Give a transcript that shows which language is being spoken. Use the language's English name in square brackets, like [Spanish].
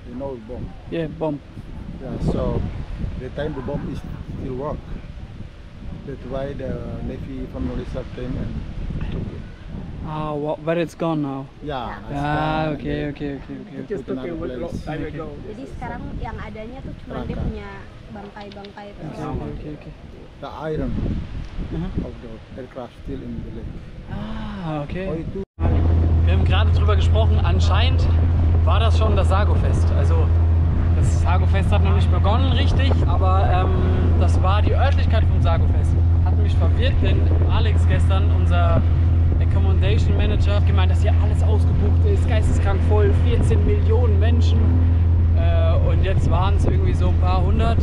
[English] You know bomb. Yeah, bomb. Yeah, so the time the bomb is still work. That's why the Navy from Malaysia came and took it. Ah, oh, well, but it's gone now. Yeah. Okay. Just took it a long time ago. [Indonesian] Jadi sekarang yang adanya tuh cuma dia punya bangkai-bangkai. [English] Ah, okay. The iron of the aircraft still in the lake. Ah, okay. [German] Wir haben gerade drüber gesprochen. Anscheinend war das schon das Sagofest. Also das Sagofest hat noch nicht begonnen, richtig? Aber das war die Örtlichkeit vom Sagofest. Hat mich verwirrt, denn Alex gestern unser Accommodation Manager hat gemeint, dass hier alles ausgebucht ist, geisteskrank voll, 14 Millionen Menschen und jetzt waren es irgendwie so ein paar hundert.